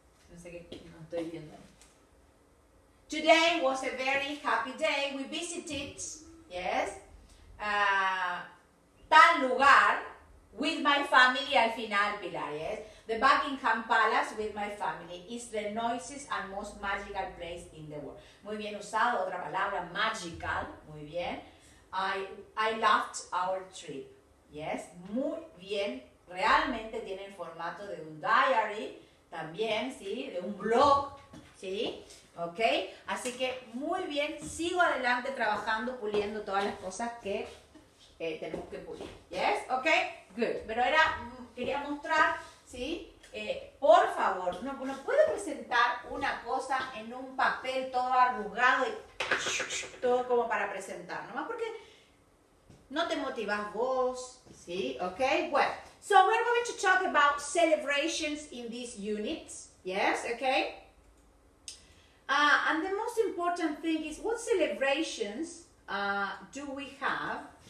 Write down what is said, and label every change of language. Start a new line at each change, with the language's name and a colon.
Spanish: No sé qué, no estoy viendo.
English: Today was a very happy day. We visited, yes,
Spanish: tal lugar
English: with my family
Spanish: al final,
English: Pilar, yes? The Buckingham Palace with my family is the noisiest and most magical place in the world.
Spanish: Muy bien usado, otra palabra, magical, muy bien.
English: I loved our trip, yes?
Spanish: Muy bien, realmente tiene el formato de un diary, también, ¿sí? De un blog, ¿sí? ¿Ok? Así que, muy bien, sigo adelante trabajando, puliendo todas las cosas que tenemos que pulir.
English: ¿Yes? ¿Ok? Good.
Spanish: Pero era, quería mostrar, ¿sí? Por favor, ¿no puedo presentar una cosa en un papel todo arrugado y todo como para presentar? Nomás porque no te motivas vos, ¿sí? ¿Ok?
English: Well, so we're going to talk about celebrations in these units. ¿Yes? ¿Ok? And the most important thing is, what celebrations do we have?